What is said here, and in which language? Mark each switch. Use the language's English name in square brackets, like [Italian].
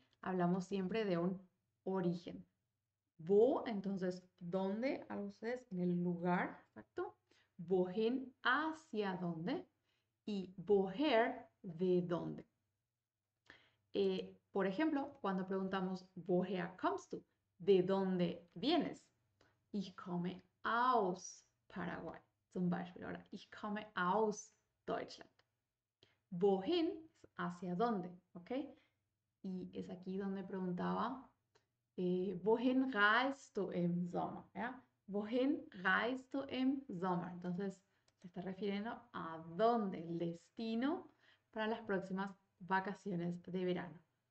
[Spanish] Hablamos siempre de un origen. Wo, entonces, ¿dónde? Algo ustedes en el lugar, ¿exacto? Wohin, ¿hacia dónde? Y woher, ¿de dónde? Por ejemplo, cuando preguntamos, [German] ¿woher kommst du? [Spanish] ¿De dónde vienes? [German] Ich komme aus Paraguay. Zum Beispiel, [Spanish] ahora, [German] ich komme aus Deutschland. [Spanish] ¿Wohin? ¿Hacia dónde? ¿Ok? Y es aquí donde preguntaba, [German] ¿wohin reist du im Sommer? [Spanish] ¿Ya? [German] ¿Wohin reist du im Sommer? [Spanish] Entonces, se está refiriendo a dónde, el destino para las próximas vacaciones de verano.